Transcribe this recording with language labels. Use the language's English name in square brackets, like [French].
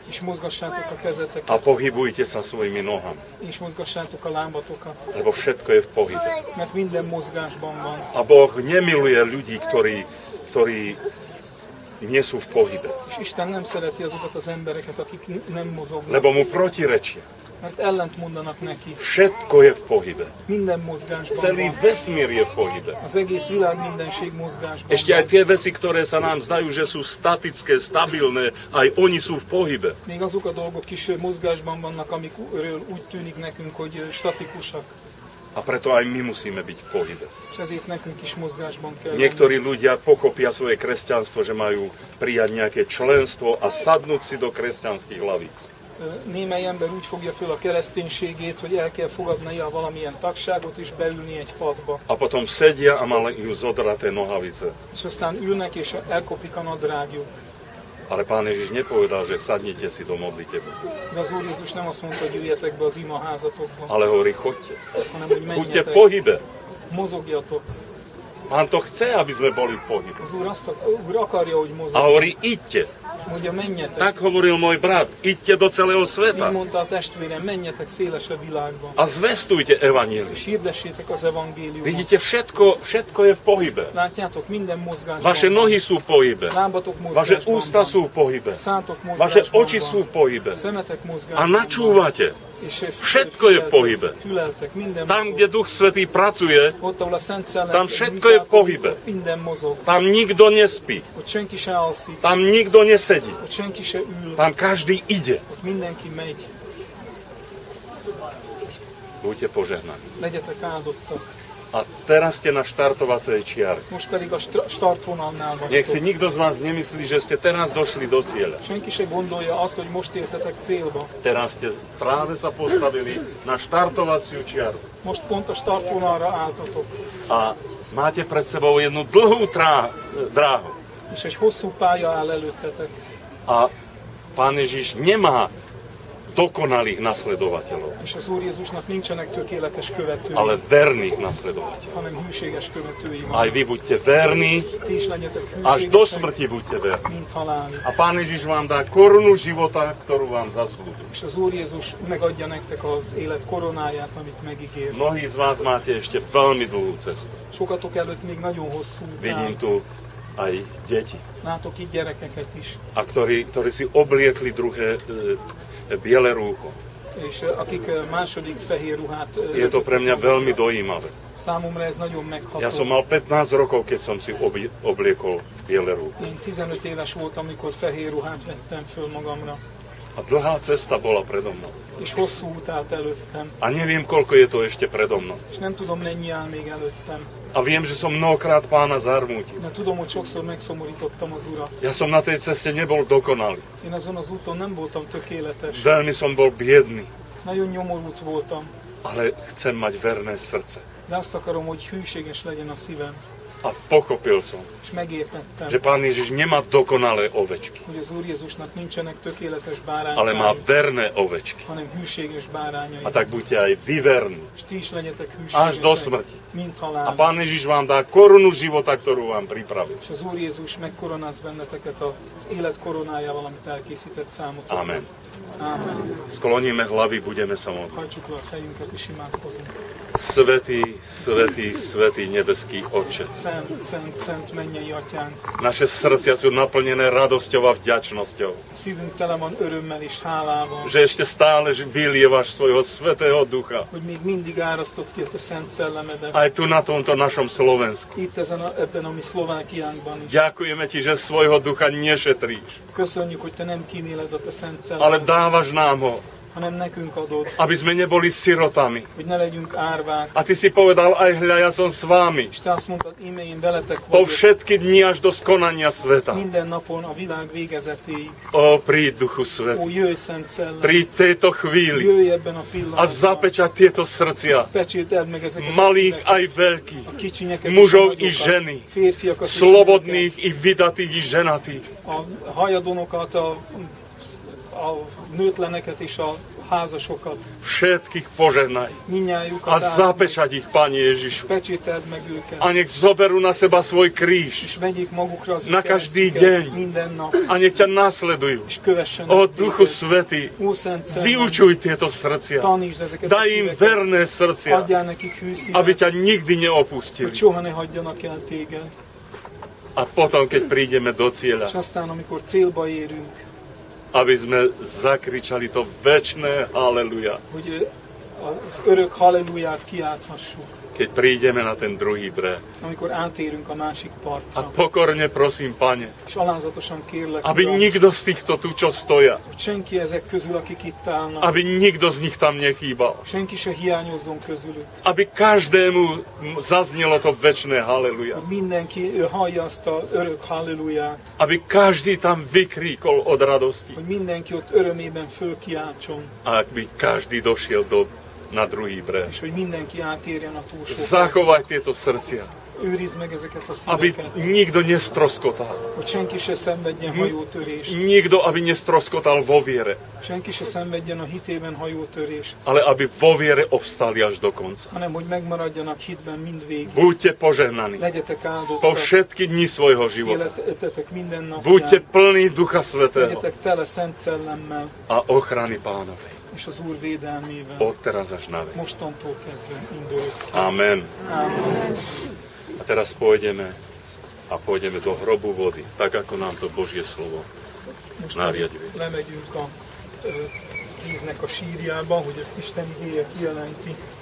[Hungarian] És mozgassátok a kezeteket. [Slovak] A pohybujte sa svojimi nohami. [Hungarian] És mozgassátok a lábatokat. [Slovak] Lebo všetko je v pohybe. [Hungarian] Mert minden mozgásban van. [Slovak] A Boh nemiluje ľudí, ktorí nie sú v pohybe. [Hungarian] És Isten nem szereti azokat az embereket, akik nem mozognak. [Slovak] Lebo mu protirečia. [Hungarian] Mert ellent mondanak neki. [Slovak] Všetko je v pohybe. [Hungarian] Minden mozgásban. [Slovak] Celý vesmír je v pohybe. [Hungarian] Az egész világ mindenség mozgásban. [Slovak] Ešte aj tie veci, ktoré sa nám zdajú, že sú statické, stabilné, aj oni sú v pohybe. [Hungarian] Még azok a dolgok is mozgásban vannak, amikről úgy tűnik nekünk, hogy statikusak. [Slovak] A preto aj my musíme byť v pohybe. [Hungarian] És ezért nekünk is mozgásban kell. [Slovak] Niektorí ľudia pochopia svoje kresťanstvo, že majú prijať nejaké členstvo a sadnúť si do kresťanských lavíc. [Hungarian] némely ember úgy fogja föl a kereszténységét, hogy el kell fogadnia valamilyen tagságot is, beülni egy padba. [Slovak] A potom sedia a malajú zodraté nohavice. [Hungarian] És aztán ülnek és elkopik a nadrágjuk. [Slovak] Ale Pán Ježiš nepovedal, že sadnite si do modlitebu. [Hungarian] Az Úr Jézus nem azt mondta, hogy üljetek be az imaházatokba. [Slovak] Ale hovorí, chodte. Buďte v pohybe. [Hungarian] Mozogjatok. [Slovak] Pán to chce, aby sme boli v pohybe. [Hungarian] Az Úr azt akarja, hogy mozogjatok. [Slovak] A hovorí, idte. [Hungarian] Mondja, menjetek. [Slovak] Tak hovoril môj brat, idte do celého sveta. [Hungarian] Így mondta a testvére, menjetek szélesebb világba. [Slovak] A zvestujte evanjelium. [Hungarian] És hirdessétek az evangéliumot. [Slovak] Vidíte, všetko je v pohybe. [Hungarian] Látjátok, minden mozgásban. [Slovak] Vaše nohy sú v pohybe. [Hungarian] Lábatok mozgásban. [Slovak] Vaše ústa sú v pohybe. [Hungarian] Szátok mozgásban. [Slovak] Vaše oči sú v pohybe. [Hungarian] Szemetek mozgásban. [Slovak] A načúvate. Všetko je v pohybe. [Hungarian] Füleltek, minden [Slovak] tam, kde Duch Svätý pracuje, [Hungarian] ott, ahol a Szent Szellem, [Slovak] tam všetko je v pohybe. [Hungarian] Minden mozog. [Slovak] Tam nikto nespí. [Hungarian] Ott senki se alszik. [Slovak] Tam nikto nesedí. [Hungarian] Ott senki se ül. [Slovak] Tam každý ide. [Hungarian] Ott mindenki megy. [Slovak] Buďte požehnaní. [Hungarian] Legyetek áldottak. [Slovak] A teraz ste na štartovacej čiare. [Hungarian] Most pedig a startvonalnál vagytok. [Slovak] Nech si nikto z vás nemyslí, že ste teraz došli do cieľa. [Hungarian] Senki se gondolja azt, hogy most értetek célba. [Slovak] Teraz ste práve sa postavili na štartovaciu čiaru. [Hungarian] Most pont a startvonalra álltatok. [Slovak] A máte pred sebou jednu dlhú dráhu. [Hungarian] És egy hosszú pálya áll előttetek. [Slovak] A Pán Ježiš nemá dokonalých nasledovateľov. [Hungarian] És az Úr Jézusnak nincsenek tökéletes követői. [Slovak] Ale verných nasledovateľov. [Hungarian] Hanem hűséges követői van. [Slovak] Aj vy buďte verní. [Hungarian] Ty is legyetek hűséges. [Slovak] Až do smrti buďte verní. [Hungarian] Mint halálig. [Slovak] A Pán Ježiš vám dá korunu života, ktorú vám zaslúžil. [Hungarian] És az Úr Jézus megadja nektek az élet koronáját, amit megígér. [Slovak] Mnohí z vás máte ešte veľmi dlhú cestu. [Hungarian] Sokatok előtt még nagyon hosszú. [Slovak] Vidím tu aj deti. [Hungarian] Látok itt gyerekeket is. [Slovak] A ktorí si obliekli druhé biele rúcho. [Hungarian] És akik második fehér ruhát... [Slovak] Je to pre mňa veľmi dojímavé. [Hungarian] Számomra ez nagyon megható. [Slovak] Ja som mal 15 rokov, keď som si obliekol biele rúcho. [Hungarian] Én 15 éves voltam, amikor fehér ruhát vettem föl magamra. [Slovak] A dlhá cesta bola predo mnou. [Hungarian] És hosszú út állt előttem. [Slovak] A neviem, koľko je to ešte predo mnou. [Hungarian] És nem tudom, mennyi áll még előttem. [Slovak] A viem, že som mnohokrát Pána zarmútil. [Hungarian] De tudom, hogy sokszor megszomorítottam az Urat. [Slovak] Ja som na tej ceste nebol dokonalý. [Hungarian] Én azon az úton nem voltam tökéletes. [Slovak] Veľmi som bol biedný. [Hungarian] Nagyon nyomorult voltam. [Slovak] Ale chcem mať verné srdce. [Hungarian] De azt akarom, hogy hűséges legyen a szívem. [Slovak] A pochopil som. [Hungarian] És megértettem. [Slovak] Že Pán Ježiš nemá dokonalé ovečky. [Hungarian] Hogy az Úr Jézusnak nincsenek tökéletes bárányai. [Slovak] Ale má verné ovečky. [Hungarian] Hanem hűséges bárányai. [Slovak] A tak buďte aj vy verní. [Hungarian] És ti is legyetek hűségesek. [Slovak] Až do smrti. [Hungarian] Mint halálig. [Slovak] A Pán Ježiš vám dá korunu života, ktorú vám pripravil. [Hungarian] És az Úr Jézus megkoronáz benneteket az élet koronájával, amit elkészített számotokra. [Slovak] Amen. [Hungarian] Amen. [Slovak] Skloníme hlavy, budeme sa modliť. [Hungarian] Hajčuk le a fejünket, és imádkozunk. [Slovak] Svetý, svetý, svetý nebeský Otče. [Hungarian] Szent, szent, szent mennyei Atyánk. [Slovak] Naše srdcia sú naplnené radosťou a vďačnosťou. [Hungarian] Szívünk tele van örömmel és hálával. [Slovak] Že ešte stále vylievaš svojho svetého ducha. [Hungarian] Hogy még mindig árasztod ki a te szent szellemedet. [Slovak] Aj tu na tomto našom Slovensku. [Hungarian] Itt ezen a, ebben a mi Szlovákiánkban is. [Slovak] Ďakujeme ti, že svojho ducha nešetríš. [Hungarian] Köszönjük, hogy te nem kíméled a te szent szellemedet. [Slovak] Ale dávaš nám ho. [Hungarian] Hanem nekünk adod. [Slovak] Aby sme neboli sirotami. [Hungarian] Hogy ne legyünk árvák. [Slovak] A ty si povedal, aj hľa, ja som s vámi. [Hungarian] És te azt mondtad, íme én veletek vagyok. [Slovak] Po všetky dni až do skonania sveta. [Hungarian] Minden napon a világ végezetéig. [Slovak] Ó, príď, Duchu Svätý. [Hungarian] Ó, jöjj, Szent Szellem. [Slovak] Príď tejto chvíli. [Hungarian] Jöjj ebben a pillanatban. [Slovak] A zapečať tieto srdcia. [Hungarian] És pecsételd meg ezeket. [Slovak] Malých aj veľkých. [Hungarian] A kicsinyeket. [Slovak] Mužov i ženy. [Hungarian] Férfiakat. [Slovak] Slobodných i vidatých i ženatých. [Hungarian] A hajadonokat, a nőtleneket és a házasokat. [Slovak] Všetkých požehnaj. [Hungarian] Minnyájukat [Slovak] a zapečať ich, Pane Ježišu. [Hungarian] Pečíteld meg őket. [Slovak] A nech zoberú na seba svoj kríž. [Hungarian] És vegyék magukra az [Slovak] na každý deň. [Hungarian] Minden nap. [Slovak] A nech ťa nasledujú. [Hungarian] És kövessenek. [Slovak] O Duchu Svätý. Vyučuj tieto srdcia. [Hungarian] Tanítsd ezeket. [Slovak] Daj im verné srdcia. [Hungarian] Adjál nekik hűszívet. [Slovak] Aby ťa nikdy neopustili. [Hungarian] Hogy soha ne hagyjanak el téged. [Slovak] A potom, keď prídeme do cieľa. [Hungarian] És aztán, amikor célba érünk. [Slovak] Aby sme zakričali to večné haleluja. [Hungarian] Hogy az örök haleluját kiáthassuk. [Slovak] keď prídeme na ten druhý breh. [Hungarian] Amikor átérünk a másik partra. [Slovak] A pokorne prosím, Pane. [Hungarian] És alázatosan kérlek, [Slovak] aby Uram, nikto z týchto tu, čo stoja. [Hungarian] Senki ezek közül, akik itt állnak. [Slovak] Aby nikto z nich tam nechýbal. [Hungarian] Senki se hiányozzon közülük. [Slovak] Aby každému zaznelo to večné haleluja. [Hungarian] Mindenki hallja azt a örök halleluját. [Slovak] Aby každý tam vykríkol od radosti. [Hungarian] Hogy mindenki ott örömében fölkiáltson. [Slovak] Aby každý došiel do na druhý breh. [Hungarian] És hogy mindenki átérje a túlsó. [Slovak] Zachovaj tieto srdcia. [Hungarian] Őrizd meg ezeket a szíveket. [Slovak] Aby nikto nestroskotal. [Hungarian] Hogy senki se szenvedjen hajótörést. [Slovak] Nikto, aby nestroskotal vo viere. [Hungarian] Senki se szenvedjen a hitében hajótörést. [Slovak] Ale aby vo viere obstali až do konca. [Hungarian] Hanem, hogy megmaradjanak hitben mindvégig. [Slovak] Buďte požehnaní. [Hungarian] Legyetek áldottak. [Slovak] Po všetky dni svojho života. [Hungarian] Életetek minden napján. [Slovak] Buďte plní Ducha Svätého. [Hungarian] Legyetek tele Szent Szellemmel. [Slovak] A ochrany Pánovej. [Hungarian] És az Úr védelmével. [Slovak] Ott teraz až na vek. [Hungarian] Mostantól kezdve indulok. [Slovak] Amen. [Hungarian] Amen. [Slovak] A teraz pôjdeme a pôjdeme do hrobu vody, tak ako nám to Božie slovo nariaduje. [Hungarian] Most lemegyünk a víznek a sírjába, hogy ezt Isten igéje kijelenti.